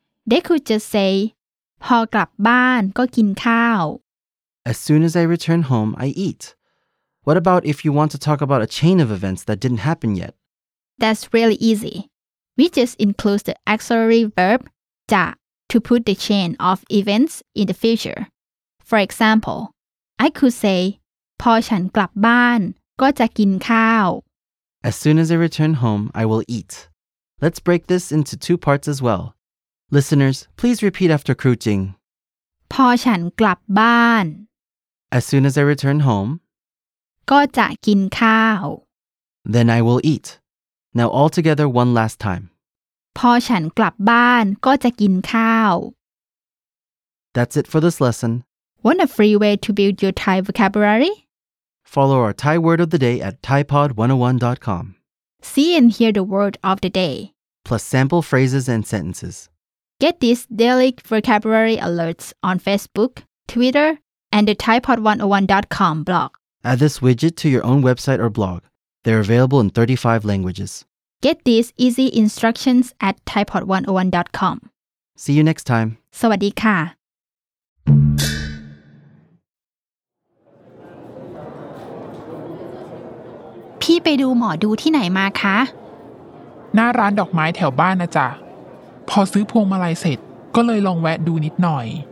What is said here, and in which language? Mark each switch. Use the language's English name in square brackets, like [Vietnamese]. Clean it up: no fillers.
[English] They could just say, [Thai] พอกลับบ้านก็กินข้าว [English] As soon as I return home, I eat. What about if you want to talk about a chain of events that didn't happen yet? That's really easy. We just include the auxiliary verb, 자, to put the chain of events in the future. For example, I could say, [Thai] พอฉันกลับบ้านก็จะกินข้าว [English] As soon as I return home, I will eat. Let's break this into two parts as well. Listeners, please repeat after Kru Jing. [Thai] พอฉันกลับบ้าน [English] As soon as I return home, [Thai] ก็จะกินข้าว [English] Then I will eat. Now all together one last time. [Thai] พอฉันกลับบ้านก็จะกินข้าว [English] That's it for this lesson. Want a free way to build your Thai vocabulary? Follow our Thai word of the day at ThaiPod101.com. See and hear the word of the day. Plus sample phrases and sentences. Get these daily vocabulary alerts on Facebook, Twitter, and the ThaiPod101.com blog. Add this widget to your own website or blog. They're available in 35 languages. Get these easy instructions at ThaiPod101.com. See you next time. [Thai] สวัสดีค่ะ พี่ไปดูหมอดูที่ไหนมาคะ หน้าร้านดอกไม้แถวบ้านนะจ๊ะพอซื้อพวงมาลัยเสร็จก็เลยลองแวะดูนิดหน่อย